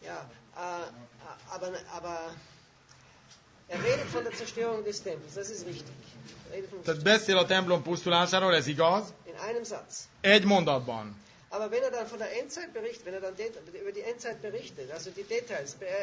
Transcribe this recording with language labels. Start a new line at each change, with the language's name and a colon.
German: Ja, aber er redet von der Zerstörung des Tempels, das ist richtig.
Hungarian: Tehát beszél a templom pusztulásáról, ez igaz?
German: In einem Satz.
Hungarian: Egy mondatban.
German: Aber wenn er dann von der Endzeit berichtet, wenn er dann über die Endzeit berichtet, also die Details,